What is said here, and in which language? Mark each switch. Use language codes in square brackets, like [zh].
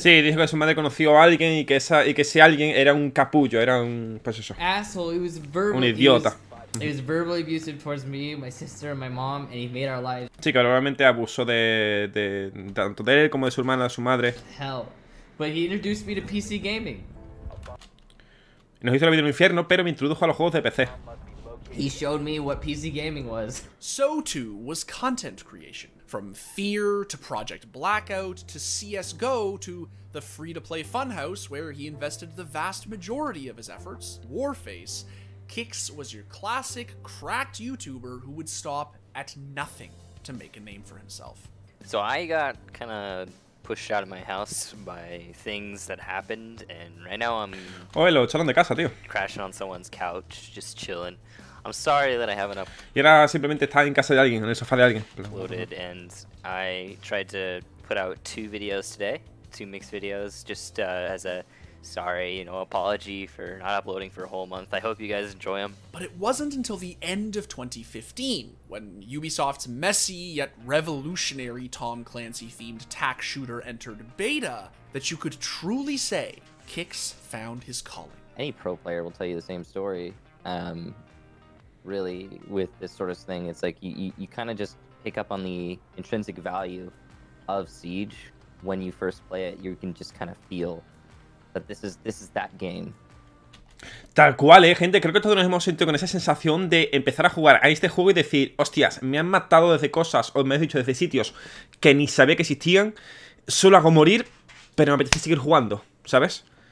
[es] Sí, dijo que su madre conoció a alguien y que esa y que ese alguien era un capullo, era un pues eso. [en] Asshole, he was verbally, [es] un idiota. [en] He was verbally abusive towards me, my sister and my mom, and he made our lives. [es] Sí, claro, realmente abusó de tanto de él como de su hermana, de su madre. [en] Hell. But he introduced me to PC gaming. [es] Nos hizo la vida en el infierno, pero me introdujo a los juegos de PC. [en] He showed me what PC gaming was. So too was content creation. From Fear to Project Blackout to CSGO to the free-to-play Funhouse, where he invested the vast majority of his efforts, Warface, Kix was your classic cracked YouTuber who would stop at nothing to make a name for himself. So I got kind of pushed out of my house by things that happened, and right now I'm [es] lo echaron de casa, tío. [en] Crashing on someone's couch, just chilling. I'm sorry that I haven't up. [es] Y era simplemente estar en casa de alguien, en el sofá de alguien. [en] Loaded, and I tried to put out two videos today, two mixed videos, just as a sorry, you know, apology for not uploading for a whole month. I hope you guys enjoy them. But it wasn't until the end of 2015, when Ubisoft's messy yet revolutionary Tom Clancy-themed tac shooter entered beta, that you could truly say Kix found his calling. Any pro player will tell you the same story. Really, with this sort of thing, it's like you kind of just pick up on the intrinsic value of Siege when you first play it. You can just kind of feel that this is that game. [es] Tal cual, gente. Creo que todos nos hemos sentido con esa sensación de empezar a jugar a este juego y decir, hostias, me han matado desde cosas o me han dicho desde sitios que ni sabía que existían. Solo hago morir, pero me apetece seguir jugando, ¿sabes?